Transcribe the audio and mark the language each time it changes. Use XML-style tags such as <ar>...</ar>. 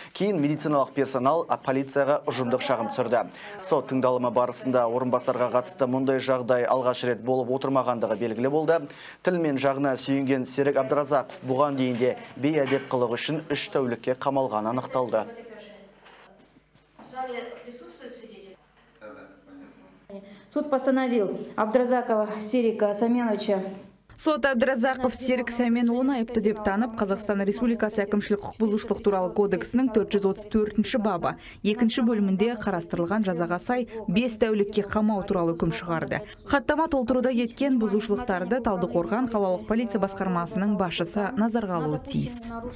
<kk>Кейін медициналық персонал полицияға ұжымдық шағым түсірді. Сот тыңдалымы барысында орынбасарға қатысты мұндай жағдай алғаш рет болып отырмағандығы белгілі болды. Тіл мен жағына сүйінген Серік Абдразақов бұған дейін де бейәдеп қылық үшін 3 тәулікке қамалғаны анықталды.</kk> <ru>Суд постановил Абдразакова Серика Саменовича.</ru> <kk>Сот Абдразақов Серік Сәменұлын айыпты деп танып, Қазақстан Республикасы әкімшілік құқық бұзушылық туралы кодексінің 434-ші бабы, 2-ші бөлімінде қарастырылған жазаға сай 5 тәулікке қамау туралы үкім шығарды. Хаттама толтыруда еткен бұзушылықтарды Талдықорған қалалық полиция басқармасының басшысы назарға алуы тиіс.</kk>